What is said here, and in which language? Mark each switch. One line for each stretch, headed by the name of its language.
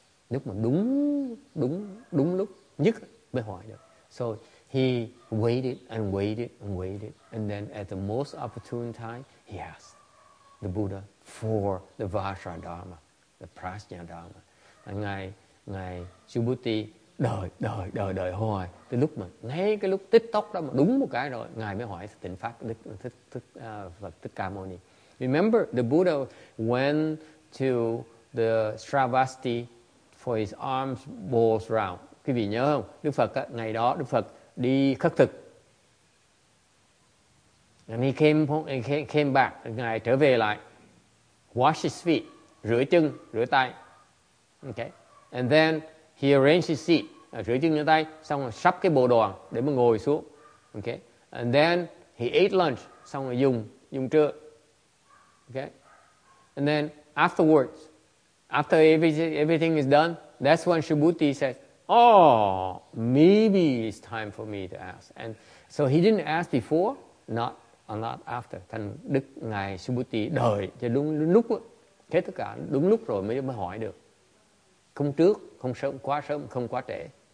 Vietnamese: Lúc mà đúng lúc nhất mới hỏi được.
English: So he waited and waited and waited and then at the most opportune time he asked the Buddha for the Vajra Dharma, the Prajna Dharma.
Vietnamese: Ngài Shubhuti đợi hoài tới lúc mà ngay cái lúc tích tốc đó mà đúng một cái rồi ngài mới hỏi tịnh pháp Phật Thích Ca Mâu Ni.
English: Remember the Buddha went to the Shravasti for his arms balls round.
Vietnamese: Quý vị nhớ không? Đức Phật ngày đó Đức Phật đi khất thực.
English: And he came back,
Vietnamese: ngài trở về lại
English: wash his feet,
Vietnamese: rửa chân, rửa tay.
English: Okay, and then he arranged his seat,
Vietnamese: rửa chân rửa tay, xong rồi sắp cái bộ đoàn để mà ngồi xuống.
English: Okay, and then he ate lunch,
Vietnamese: xong rồi dùng trưa.
English: Okay, and then afterwards, after everything is done, that's when Shubhuti said, "Oh, maybe it's time for me to ask." And so he didn't ask before, not after.
Vietnamese: Thành Đức ngài Shubhuti đợi cho đúng lúc, hết tất cả đúng lúc rồi mới hỏi được. Không trước, không sớm, không quá trễ.